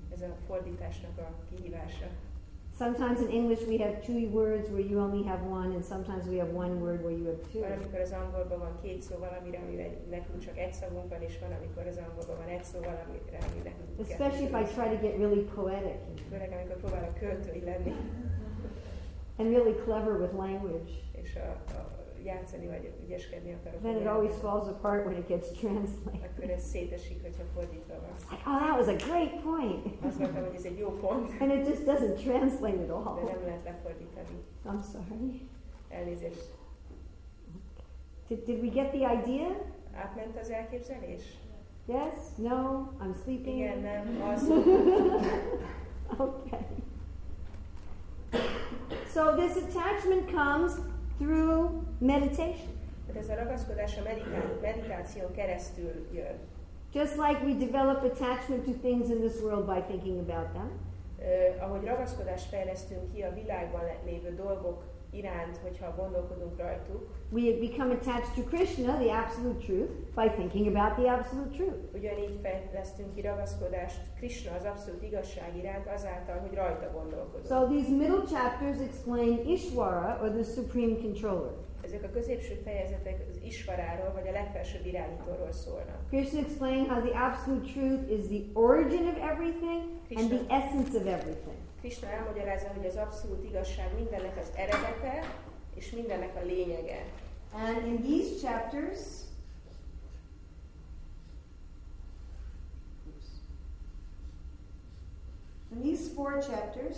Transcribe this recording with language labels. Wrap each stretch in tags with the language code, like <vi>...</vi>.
<hu>Ez a fordításnak a kihívása.</hu> <en>Sometimes in English we have two words where you only have one, and sometimes we have one word where you have two.</en> <hu>Valamikor az angolban van két szó valamire, amire nekünk csak egy szavunk van, és valamikor az angolban van egy szó valamire, amire nekünk kettő.</hu> <en>Especially if I try to get really poetic.</en> <hu>Főleg amikor próbálok költői lenni.</hu> <en>And really clever with language.</en> <hu>És a játszani vagy ügyeskedni akarok.</hu> <en>Then it always falls apart when it gets translated.</en> <hu>Akkor ez szétesik, hogyha fordítva van.</hu> <en>Like, oh, that was a great point.</en> <hu>Azt mondtam, hogy ez egy jó pont.</hu> <en>And it just doesn't translate at all.</en> <hu>De nem lehet lefordítani.</hu> <en>I'm sorry.</en> <hu>Elnézést.</hu> <en>Did we get the idea?</en> <hu>Átment az elképzelés?</hu> <en>Yes, no, I'm sleeping.</en> <hu>Igen, nem, az.</hu> <en>Okay. So this attachment comes through meditation.</en> <hu>Ez a ragaszkodás a meditáció keresztül jön.</hu> <en>Just like we develop attachment to things in this world by thinking about them.</en> <hu>Ahogy ragaszkodást fejlesztünk ki a világban lévő dolgok iránt, hogyha gondolkodunk rajtuk.</hu> <en>We become attached to Krishna, the absolute truth, by thinking about the absolute truth.</en> <hu>Ugyanígy fejlesztünk ki ragaszkodást Krishna, az abszolút igazság iránt, azáltal, hogy rajta gondolkodunk.</hu> <en>So these middle chapters explain Ishvara, or the supreme controller.</en> <hu>Ezek a középső fejezetek az Ishvaráról, vagy a legfelsőbb irányítóról szólnak.</hu> <en>Krishna explains how the absolute truth is the origin of everything and the essence of everything.</en> <hu>Krishna elmagyarázza, hogy az abszolút igazság mindennek az eredete és mindennek a lényege.</hu> <en>And in these chapters, in these four chapters,</en>